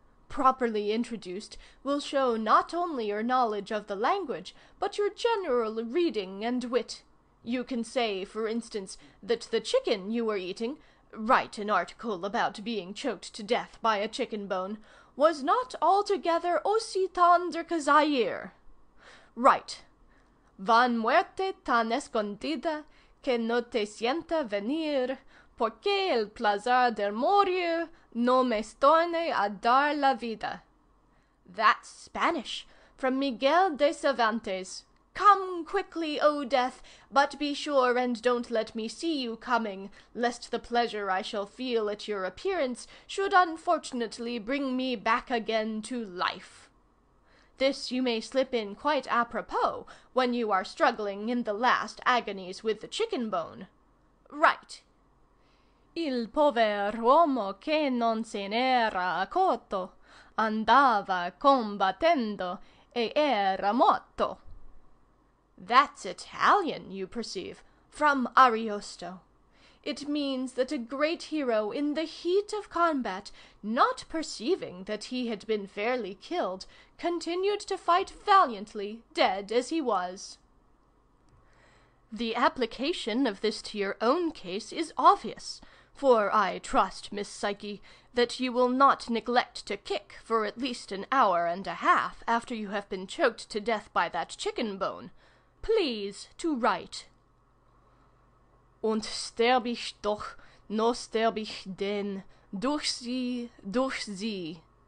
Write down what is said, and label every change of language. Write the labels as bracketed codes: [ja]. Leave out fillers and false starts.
[en] Properly introduced, will show not only your knowledge of the language, but your general reading and wit. You can say, for instance, that the chicken you were eating, write an article about being choked to death by a chicken bone, was not altogether [fr] aussi tendre que Zaire. [en] Write. [es] Van muerte tan escondida, que no te sienta venir, porque el placer del morir no me estorne a dar la vida. [en] That's Spanish, from Miguel de Cervantes. Come quickly, O death, but be sure and don't let me see you coming, lest the pleasure I shall feel at your appearance should unfortunately bring me back again to life. This you may slip in quite apropos when you are struggling in the last agonies with the chicken bone. Right. [it] Il pover uomo che non se n'era accorto andava combattendo e era morto. [en] That's Italian, you perceive, from Ariosto. It means that a great hero, in the heat of combat, not perceiving that he had been fairly killed, continued to fight valiantly, dead as he was. The application of this to your own case is obvious. For I trust, Miss Psyche, that you will not neglect to kick for at least an hour and a half after you have been choked to death by that chicken bone. Please to write. [de] Und sterb ich doch, no sterb ich denn, durch sie.